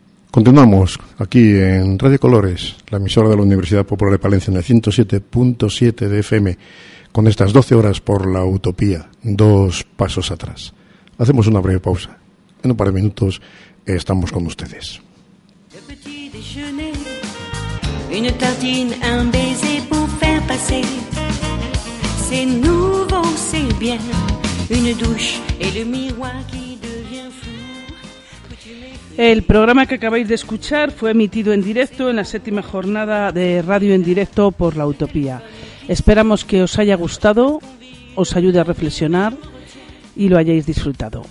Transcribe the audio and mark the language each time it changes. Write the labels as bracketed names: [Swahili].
[Spanish] Continuamos aquí en Radio Colores, la emisora de la Universidad Popular de Palencia en el 107.7 de FM. Con estas 12 horas por la utopía, dos pasos atrás. Hacemos una breve pausa. En un par de minutos estamos con ustedes. [French] Le petit déjeuner, une tartine, un baiser pour faire passer. C'est nouveau, c'est bien. Une douche et le miroir qui devient fou. [Spanish] El programa que acabáis de escuchar fue emitido en directo en la séptima jornada de radio en directo por la utopía. Esperamos que os haya gustado, os ayude a reflexionar y lo hayáis disfrutado.